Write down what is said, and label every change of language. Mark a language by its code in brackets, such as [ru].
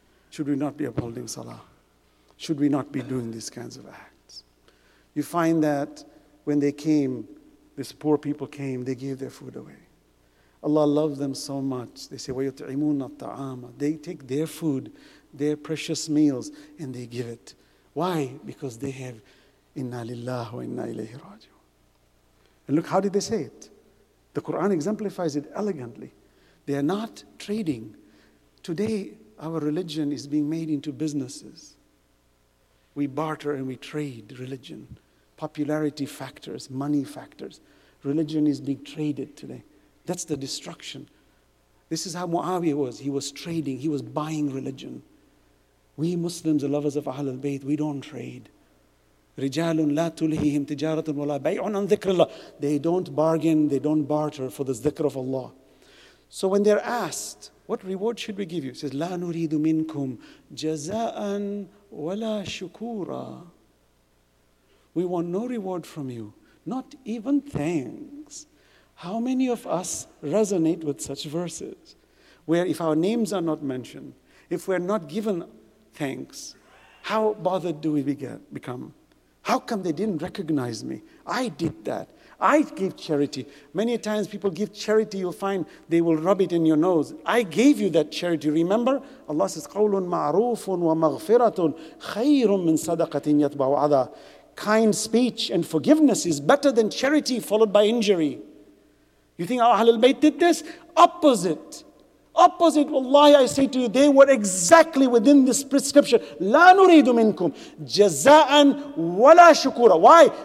[en] Should we not be upholding salah? Should we not be doing these kinds of acts? You find that when they came, these poor people came, they gave their food away. Allah loves them so much. They say, [ar] وَيُطْعِمُونَ الطَّعَامَ. [en] They take their food, their precious meals, and they give it. Why? Because they have [ar] إِنَّا لِلَّهِ وَإِنَّا إِلَيْهِ رَاجِعُونَ. [en] And look, how did they say it? The Quran exemplifies it elegantly. They are not trading. Today, our religion is being made into businesses. We barter and we trade religion. Popularity factors, money factors. Religion is being traded today. That's the destruction. This is how Muawiyah was. He was trading. He was buying religion. We Muslims, the lovers of Ahlul Bayt, we don't trade. [ar] رِجَالٌ لَا تُلْهِهِمْ تِجَارَةٌ وَلَا بَيْعٌ عَنْ ذِكْرِ اللَّهِ. [en] They don't bargain, they don't barter for the dhikr of Allah. So when they're asked, what reward should we give you? He says, [ar] لَا نُرِيدُ مِنْكُمْ جَزَاءً وَلَا شُكُورًا. [en] We want no reward from you, not even thanks. How many of us resonate with such verses? Where if our names are not mentioned, if we're not given thanks, how bothered do we become? How come they didn't recognize me? I did that. I gave charity. Many times people give charity, you'll find they will rub it in your nose. I gave you that charity. Remember? Allah says, [ar] قَوْلٌ مَعْرُوفٌ وَمَغْفِرَةٌ خَيْرٌ مِّن صَدَقَةٍ يَتْبَعُ عَذَا. [en] Kind speech and forgiveness is better than charity followed by injury. You think Ahlul Bayt did this? Opposite. Opposite, wallahi, I say to you, they were exactly within this prescription. [ar] لَا نُرِيدُ مِنْكُمْ جَزَاءً وَلَا شُكُورًا. [en] Why?